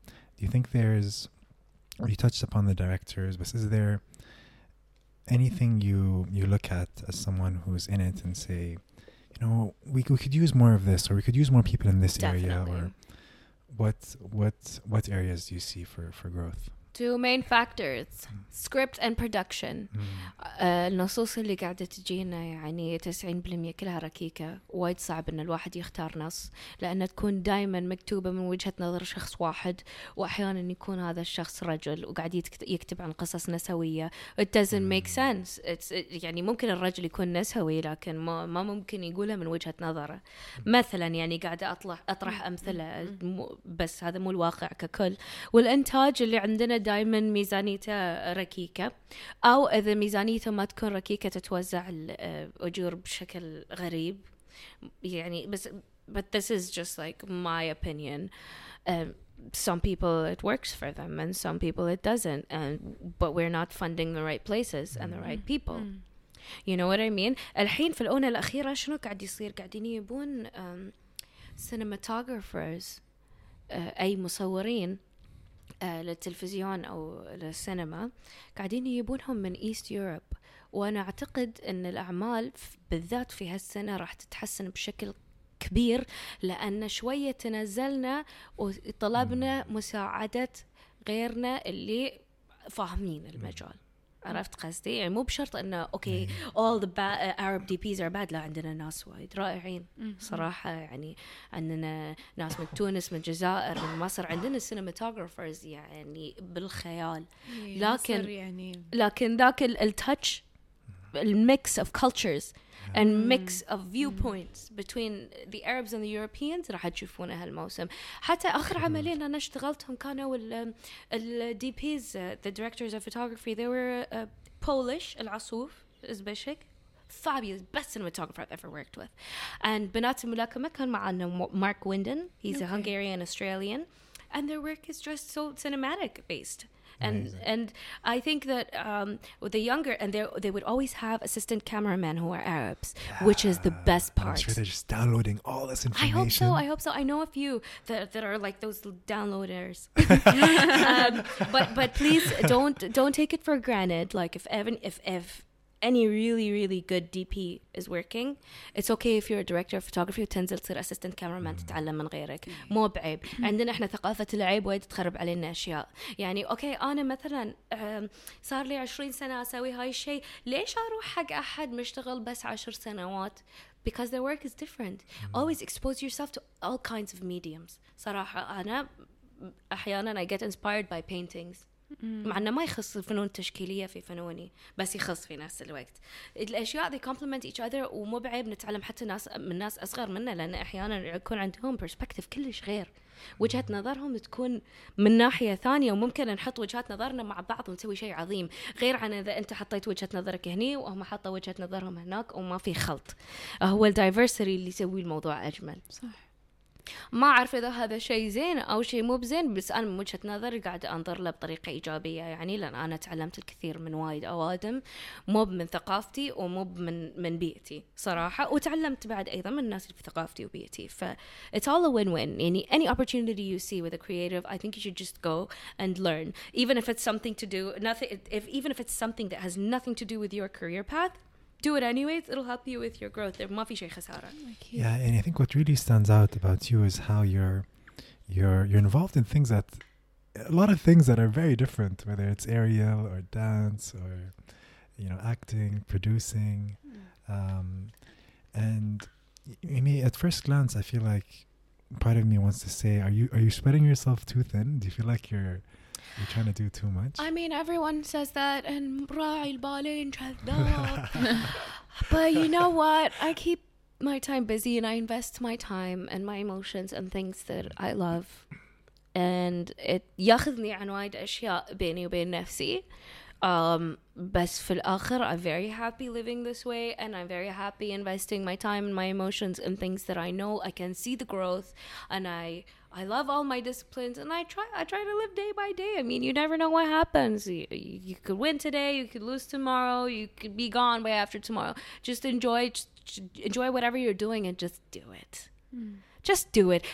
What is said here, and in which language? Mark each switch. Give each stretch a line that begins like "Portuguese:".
English: Do you think there's, you touched upon the directors, but is there anything you look at as someone who's in it and say, know, we could use more of this, or we could use more people in this definitely. Area, or what areas do you see for growth? Two main factors, script and production.
Arabic: النصوص اللي قاعدة تجينا يعني 90% كلها ركيكة. وايد صعب إن الواحد يختار نص لأن تكون دائما مكتوبة من وجهة نظر شخص واحد, وأحيانا يكون هذا الشخص رجل وقاعد يكتب عن قصص نسوية.
English: It doesn't make sense.
Arabic: يعني ممكن الرجل يكون نسوي لكن ما ممكن يقولها من وجهة نظره. مثلا يعني قاعدة أطرح أمثلة بس هذا مو الواقع ككل. والإنتاج اللي عندنا دائما ميزانيته ركيكة, أو إذا ميزانيته ما تكون ركيكة تتوزع الأجور بشكل غريب يعني.
English: بس but this is just like my opinion. Some people it works for them and some people it doesn't, and but we're not funding the right places and the right people. You know what I mean.
Arabic: الحين في الأونة الأخيرة شنو قاعد يصير؟ قاعدين يبون cinematographers, أي مصورين للتلفزيون أو للسينما, قاعدين يجيبونهم من إيست يوروب. وأنا أعتقد أن الأعمال بالذات في هالسنة راح تتحسن بشكل كبير لأن شوية تنزلنا وطلبنا مساعدة غيرنا اللي فاهمين المجال. عرفت قصدي؟ يعني مو بشرط أنه أوكي
English: all the Arab DPs are bad.
Arabic: لا, عندنا ناس وايد رائعين صراحة. يعني عندنا ناس من تونس, من الجزائر, من مصر. عندنا cinematographers يعني بالخيال. لكن يعني لكن ذاك التاتش,
English: المix of cultures and mix of viewpoints between the Arabs and the Europeans
Arabic: راح تشوفونه هالموسم. حتى آخر عملين أنا اشتغلتهم كانوا ال
English: DPs, the directors of photography, they were Polish, العصوف إزبشك, fabulous, best cinematographer I've ever worked with. And بنات الملاكمة كان معنا Mark Winden, he's a Hungarian Australian, and their work is just so cinematic based. And I think that the younger, and they would always have assistant cameramen who are Arabs, which is the best part. I'm sure they're just downloading all this information. I hope so. I know a few that are like those downloaders. but please don't take it for granted. Like if any really really good DP is working, it's okay if you're a director of photography
Arabic: وتنزل تصير
English: assistant cameraman
Arabic: تتعلم من غيرك. مو بعيب. عندنا احنا ثقافة العيب وايد تخرب علينا اشياء. يعني اوكي انا مثلا صار لي 20 سنة اسوي هاي الشيء, ليش اروح حق احد مشتغل بس 10 سنوات؟
English: Because their work is different. Always expose yourself to all kinds of mediums.
Arabic: صراحة انا احيانا
English: I get inspired by paintings.
Arabic: مع أنه ما يخص الفنون التشكيلية في فنوني, بس يخص في نفس الوقت الأشياء
English: they complement each other.
Arabic: ومو بعيب نتعلم حتى ناس من ناس أصغر منا, لأن أحيانا يكون عندهم perspective كلش غير. وجهة نظرهم تكون من ناحية ثانية, وممكن نحط وجهات نظرنا مع بعض ونسوي شيء عظيم. غير عن إذا أنت حطيت وجهة نظرك هني وهم حطوا وجهة نظرهم هناك وما في خلط. هو الدايفرسري اللي يسوي الموضوع أجمل. صح. ما أعرف إذا هذا شيء زين أو شيء مو بزين, بس أنا من وجهة نظر قاعد أنظر له بطريقة إيجابية. يعني لأن أنا تعلمت الكثير من وايد أوادم, مو من ثقافتي ومو من بيئتي صراحة, وتعلمت بعد أيضا من الناس اللي في ثقافتي وبيئتي.
English: ف it's all a win-win. يعني any opportunity you see with a creative, I think you should just go and learn, even if it's something to do nothing, even if it's something that has nothing to do with your career path. Do it anyways. It'll help you with your growth.
Arabic: There's mafi shay khasara.
English: Yeah, and I think what really stands out about you is how you're involved in things that a lot of things that are very different, whether it's aerial or dance or you know acting, producing. And I mean, at first glance, I feel like part of me wants to say, are you spreading yourself too thin? Do you feel like you're trying to do too much? I mean, everyone says that, and
Arabic: راعي البالين جذاب.
English: But you know what? I keep my time busy, and I invest my time and my emotions and things that I love.
Arabic: And it ياخذني عن وايد أشياء بيني وبين نفسي. بس في الآخر,
English: I'm very happy living this way, and I'm very happy investing my time and my emotions in things that I know I can see the growth, and I love all my disciplines, and I try to live day by day. I mean, you never know what happens. You could win today, you could lose tomorrow, you could be gone way after tomorrow. Just enjoy whatever you're doing and just do it. Just do it.